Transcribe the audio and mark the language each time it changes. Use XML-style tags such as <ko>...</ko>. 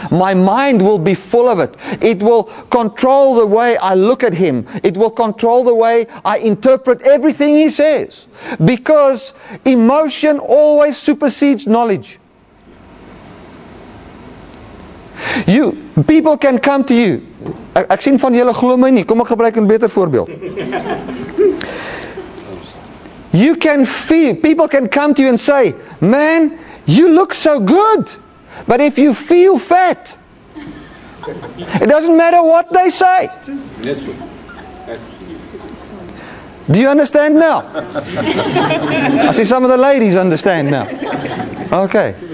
<en>My mind will be full of it. It will control the way I look at him. It will control the way I interpret everything he says. Because emotion always supersedes knowledge. You people can come to you.</en> <af>Ek sien van julle glo my nie. Kom ek gebruik 'n beter voorbeeld.</af> <en>You can feel, people can come to you and say, man, you look so good. But if you feel fat, it doesn't matter what they say. Do you understand now? I see some of the ladies understand now. Okay.</en>